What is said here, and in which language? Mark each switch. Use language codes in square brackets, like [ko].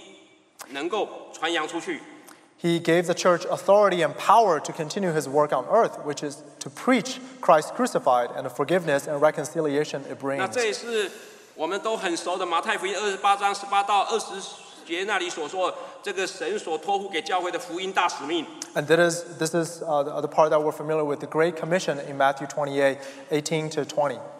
[zh] 耶稣在世上的工作，能够将耶稣基督跟他所定的十字架，来带来赦免与神和好这个福音，能够传扬出去。 [en] He gave the church authority and power to continue his work on earth, which is to preach Christ crucified and the forgiveness and reconciliation it brings. [zh] 那这也是我们都很熟的马太福音28章18到20节那里所说。 [en] And this is the part that we're familiar with, the Great Commission in Matthew 28:18-20.